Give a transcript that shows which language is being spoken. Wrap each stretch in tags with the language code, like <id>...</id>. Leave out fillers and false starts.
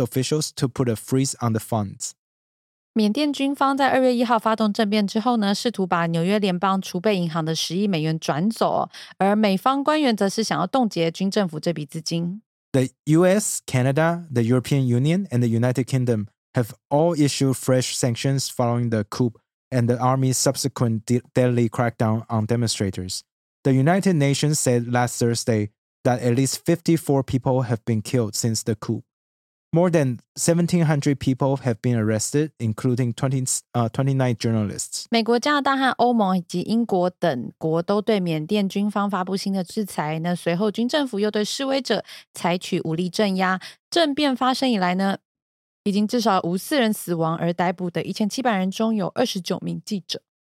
<en>officials to put a freeze on the funds.</en> <zh>缅甸军方在2月1号发动政变之后呢，试图把纽约联邦储备银行的10亿美元转走，而美方官员则是想要冻结军政府这笔资金。</zh> <en>The US, Canada, the European Union, and the United Kingdom have all issued fresh sanctions following the coup and the army's subsequent deadly crackdown on demonstrators. The United Nations said last Thursday that at least 54 people have been killed since the coup. More than 1,700 people have been arrested, including 29 journalists.</en> <zh>美国、加拿大和欧盟以及英国等国都对缅甸军方发布新的制裁。那随后，军政府又对示威者采取武力镇压。政变发生以来呢，已经至少54人死亡，而逮捕的1700人中有29名记者。</zh>